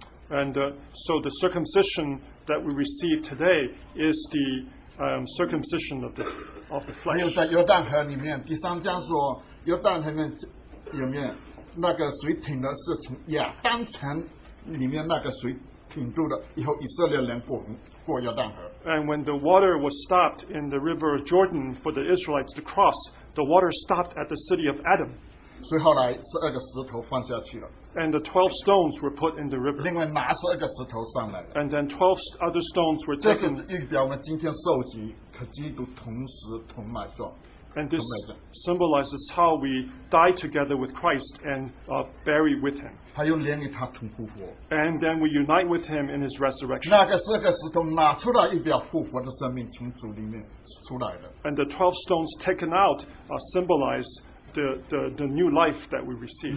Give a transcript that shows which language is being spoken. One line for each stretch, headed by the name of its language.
English: And so the circumcision that we receive today is the circumcision of the flesh.
Chinese: 还有在约旦河里面第三章说，约旦河里面。那个水挺的是从亚当城里面那个水挺住的，以后以色列人过约旦河。
English: And when the water was stopped in the river Jordan for the Israelites to cross, the water stopped at the city of Adam.
Chinese: 所以后来十二个石头放下去了。
English: And the 12 stones were put in the river.
Chinese: 另外拿十二个石头上来。
English: And then 12 other stones were taken.
Chinese: 这是预表我们今天受洗和基督同时同埋葬。
English: And this symbolizes how we die together with Christ and bury with him. And then we unite with him in his resurrection. And the 12 stones taken out symbolize the new life that we receive.